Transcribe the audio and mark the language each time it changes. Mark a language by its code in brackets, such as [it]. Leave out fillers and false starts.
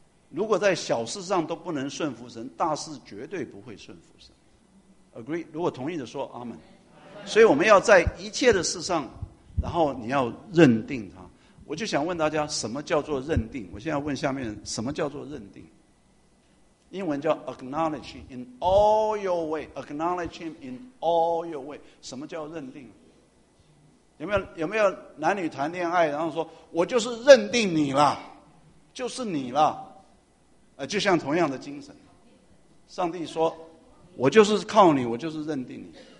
[zh] 如果在小事上都不能顺服神，大事绝对不会顺服神。 Agree， 如果同意的说阿们。所以我们要在一切的事上，然后你要认定他。我就想问大家，什么叫做认定？我现在问下面人，什么叫做认定？英文叫 [en] acknowledge in all your way， acknowledge him in all your way。 [zh] 什么叫认定？有没有男女谈恋爱，然后说我就是认定你了，就是你了，就像同样的精神，上帝说我就是靠你，我就是认定你。